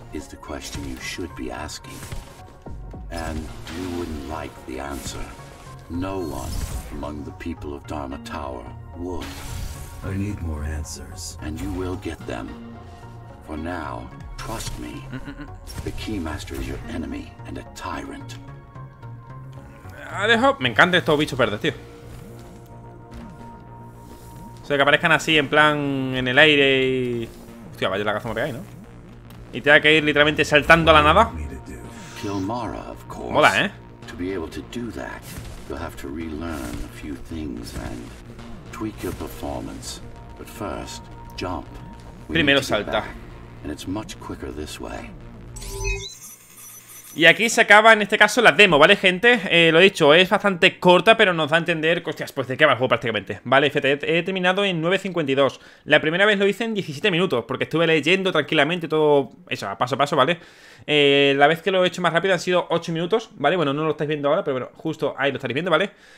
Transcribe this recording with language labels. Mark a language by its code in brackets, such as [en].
[en] Is the question you should be asking. And you wouldn't like the answer. No one among the people of Dharma Tower would. I need more answers. And you will get them. For now, trust me. The Keymaster is your enemy and a tyrant. [es] Dejo. Me encantan estos bichos verdes, tío. O sea, que aparezcan así en plan en el aire y. Hostia, vaya la caza que hay, ¿no? Y tenga que ir literalmente saltando a la nada. [en] Kill Mara, of course. [es] Mola, ¿eh? [en] To be able to do that, you'll have to relearn a few things and tweak your performance. But first, jump. [es] Primero salta. [en] And it's much quicker this way. [es] Y aquí se acaba, en este caso, la demo, ¿vale, gente? Lo dicho, es bastante corta, pero nos da a entender, hostias, pues de qué va el juego prácticamente. Vale, fíjate, he terminado en 9.52. La primera vez lo hice en 17 minutos, porque estuve leyendo tranquilamente todo eso, paso a paso, ¿vale? La vez que lo he hecho más rápido han sido 8 minutos, ¿vale? Bueno, no lo estáis viendo ahora, pero bueno, justo ahí lo estaréis viendo, ¿vale?